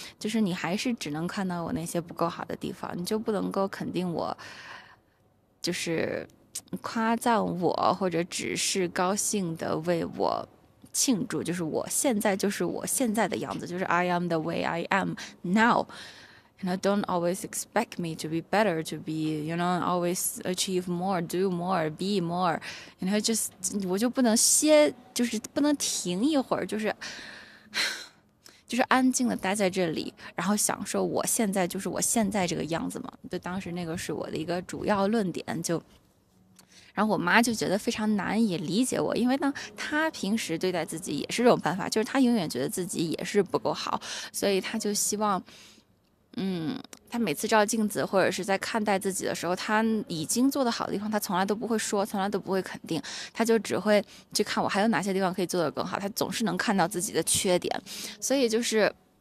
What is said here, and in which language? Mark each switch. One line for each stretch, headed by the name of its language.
Chinese: 就是你还是只能看到我那些不够好的地方，你就不能够肯定我，就是。夸赞我，或者只是高兴的为我庆祝，就是我现在就是我现在的样子，就是
English: I am the way I am now。 And I don't always expect me to be better, to be, you know, always achieve more, do more, be more。 And I just，
Chinese: 我就不能歇，就是不能停一会儿，就是安静的待在这里，然后享受我现在就是我现在这个样子嘛。就当时那个是我的一个主要论点，就。然后我妈就觉得非常难以理解我，因为呢，她平时对待自己也是这种办法，就是她永远觉得自己也是不够好，所以她就希望，她每次照镜子或者是在看待自己的时候，她已经做得好的地方，她从来都不会说，从来都不会肯定，她就只会去看我还有哪些地方可以做得更好，她总是能看到自己的缺点，所以就是。